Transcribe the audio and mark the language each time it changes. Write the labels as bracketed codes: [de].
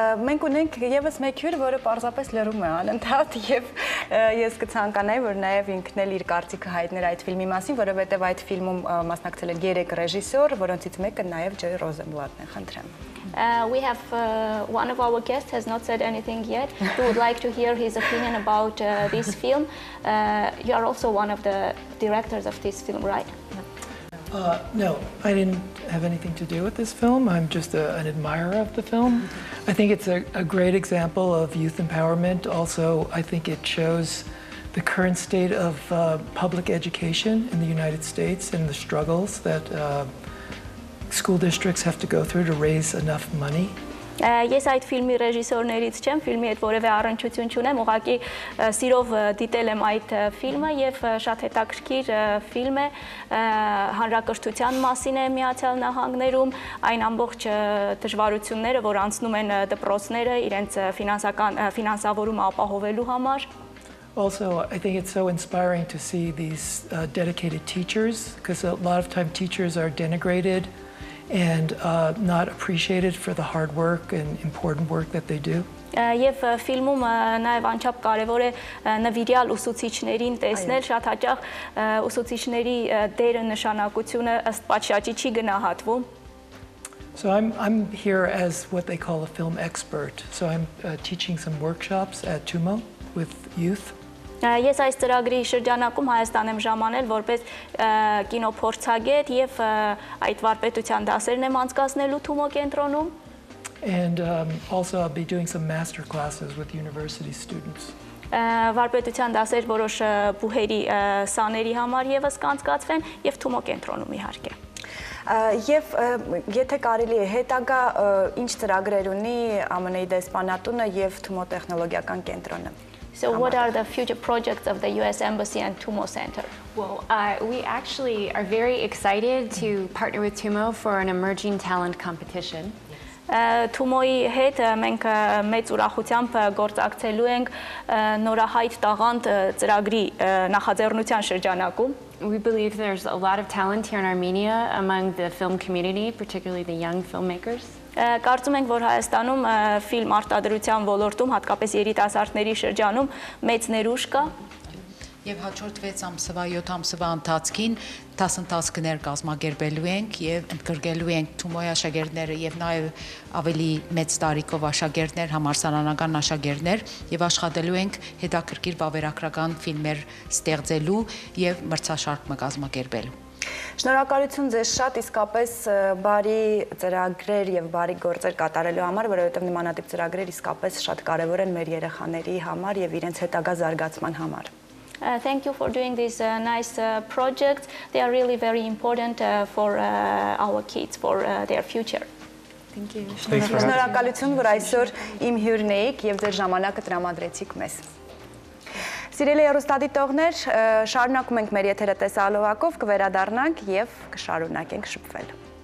[hy] Մենք ունենք եւս մեկ հյուր, որը պարզապես լրում է անընդհատ եւ ես կցանկանայի, որ նաեւ ինքն էլ իր կարծիքը հայտներ այդ ֆիլմի մասին, որովհետեւ այդ ֆիլմում մասնակցել են 3 ռեժիսոր, որոնցից մեկը նաեւ Ջոյ Ռոզենբլատն է, խնդրեմ։ [en] We have one of our guests has not said anything yet. Who would like to hear his opinion about this film? You are also one of the directors of this film, right? No, I didn't have anything to do with this film. I'm just an admirer of the film. I think it's a great example of youth empowerment. Also, I think it shows the current state of public education in the United States and the struggles that school districts have to go through to raise enough money [hy] Ես այդ ֆիլմի ռեժիսորներից չեմ, ֆիլմի հետ որևէ առնչություն չունեմ, ուղղակի սիրով դիտել եմ այդ ֆիլմը եւ շատ հետաքրքիր ֆիլմ է, հանրակրթության մասին է Միացյալ Նահանգներում, այն ամբողջ դժվարությունները, որ անցնում են դպրոցները իրենց ֆինանսավորում ապահովելու համար. [en] Also, I think it's so inspiring to see these dedicated teachers, because a lot of time teachers are denigrated and not appreciated for the hard work and important work that they do. [hy] Եվ ֆիլմում նաև անչափ կարևոր է նվիրյալ ուսուցիչներին տեսնել, շատ հաճախ ուսուցիչների դերը, նշանակությունը ըստ պատշաճի չի գնահատվում. [en] So I'm here as what they call a film expert. So I'm teaching some workshops at TUMO with youth. [hy] Ես այս ծրագրի շրջանակում Հայաստան եմ ժամանել որպես կինոփորձագետ եւ այդ վարպետության դասերն եմ անցկացնելու Թումո կենտրոնում։ [en] And also I'll be doing some master classes with university students. [hy] Վարպետության դասեր որոշ բուհերի սաների համար եւս կանցկացվեն եւ Թումո կենտրոնում իհարկե։ Եվ եթե կարելի է հետագա ինչ ծրագրեր ունի ԱՄՆ-ի դեսպանատունը եւ Թումո տեխնոլոգիական կենտրոնը։ [en] So what are the future projects of the U.S. Embassy and TUMO Center? Well, we actually are very excited to partner with TUMO for an emerging talent competition. [hy] TUMO-ի հետ մենք մեծ ուրախությամբ գործակցելու ենք նորահայտ տաղանդ ծրագրի նախաձեռնության շրջանակում. [en] We believe there's a lot of talent here in Armenia among the film community, particularly the young filmmakers. [hy] Կարծում ենք, որ Հայաստանում ֆիլմ արտադրության ոլորտում, հատկապես երիտասարդների շրջանում մեծ ներուժ կա։ Եվ հաջորդ 6 ամսվա, 7 ամսվա ընթացքին դասընթացներ կազմակերպելու ենք եւ ընդգրկելու ենք Թումոյ աշակերտները եւ նաեւ ավելի մեծ տարիքով աշակերտներ, համալսարանական աշակերտներ եւ աշխատելու ենք հետաքրքիր վավերագրական ֆիլմեր ստեղծելու եւ մրցաշարք կազմակերպել։ Շնորհակալություն ձեզ շատ, իսկապես բարի ծրագրեր եւ բարի գործեր կատարելու համար, որովհետեւ նմանատիպ ծրագրեր իսկապես շատ կարեւոր են մեր երեխաների համար եւ իրենց հետագա զարգացման համար։ [en] Thank you for doing this nice project. They are really very important for our kids, for their future. Thank you. [hy] Շնորհակալություն, որ այսօր իմ հյուրն եք եւ ձեր ժամանակը տրամադրեցիք մեզ։ Սիրելի հեռուստադիտողներ, շարունակում ենք մեր եթերը տեսալովակով, կվերադառնանք եւ կշարունակենք շփվել։